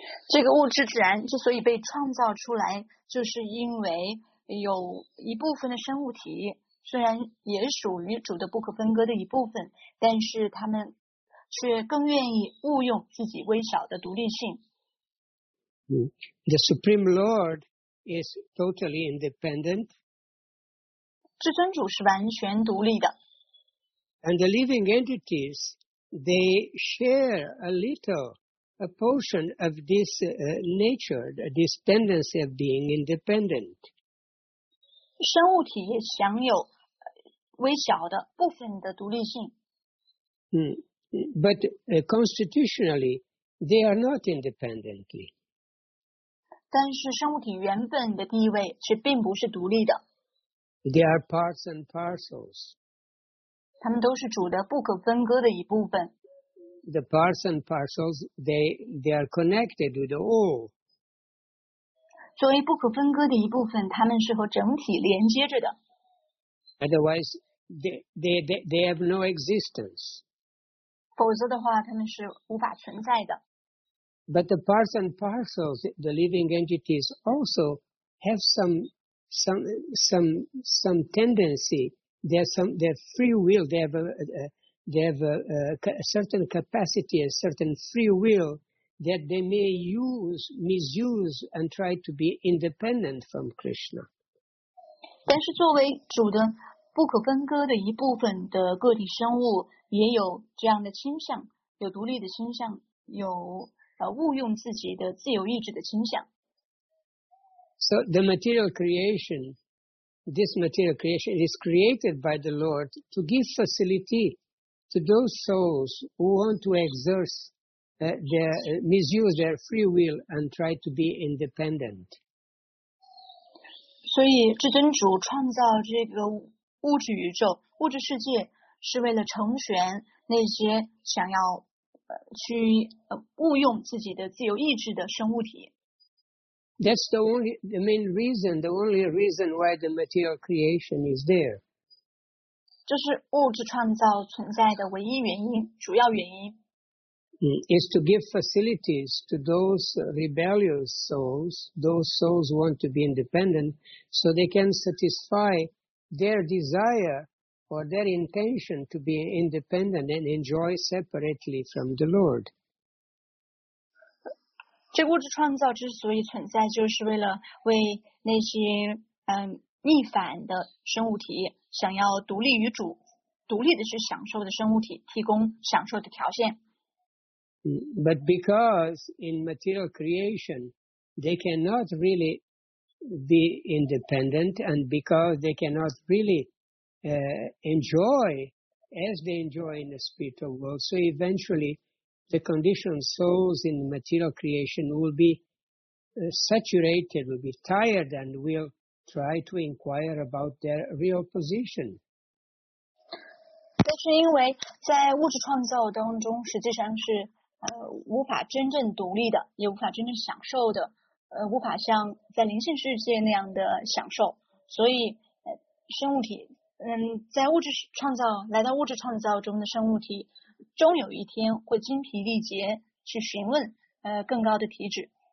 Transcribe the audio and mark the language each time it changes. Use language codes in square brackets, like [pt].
[zh] 这个物质自然之所以被创造出来，就是因为有一部分的生物体虽然也属于主的不可分割的一部分，但是他们却更愿意误用自己微小的独立性。 [en] The Supreme Lord is totally independent. [zh] 至尊主是完全独立的。 [en] And the living entities, they share a portion of this nature, this tendency of being independent. [zh] 生物体也享有微小的部分的独立性。 [en] But constitutionally, they are not independently. [zh] 但是生物体原本的地位却并不是独立的。 [en] They are parts and parcels. [zh] 它们都是主的不可分割的一部分。 [en] The parts and parcels, they are connected with the all. [zh] 作为不可分割的一部分，它们是和整体连接着的。 [en] Otherwise, they have no existence. [zh] 否则的话，它们是无法存在的。 [en] But the parts and parcels, the living entities also have some tendency. They have free will. They have a certain capacity, a certain free will that they may use, misuse, and try to be independent from Krishna. [zh] 但是作为主的不可分割的一部分的个体生物也有这样的倾向，有独立的倾向，有误用自己的自由意志的倾向。 [en] So the material creation, this material creation is created by the Lord to give facility to those souls who want to exert their misuse their free will and try to be independent. [zh] 所以至尊主创造这个物质宇宙、物质世界，是为了成全那些想要去误用自己的自由意志的生物体。 [en] That's the only reason why the material creation is there. [zh] 这是物质创造存在的唯一原因，主要原因。 [en] Is to give facilities to those rebellious souls, those souls who want to be independent, so they can satisfy their desire. Or their intention to be independent and enjoy separately from the Lord. [zh] 这物质创造之所以存在，就是为了为那些逆反的生物体，想要独立于主、独立的去享受的生物体，提供享受的条件。 [en] But because in material creation, they cannot really be independent, and because they cannot reallyenjoy as they enjoy in the spiritual world. So eventually, the conditioned souls in material creation will be saturated, will be tired, and will try to inquire about their real position. [zh] 但是因为在物质创造当中，实际上是无法真正独立的，也无法真正享受的，无法像在灵性世界那样的享受，所以生物体。在物质创造来到物质创造中的生物体，终有一天会精疲力竭去询问更高的体质。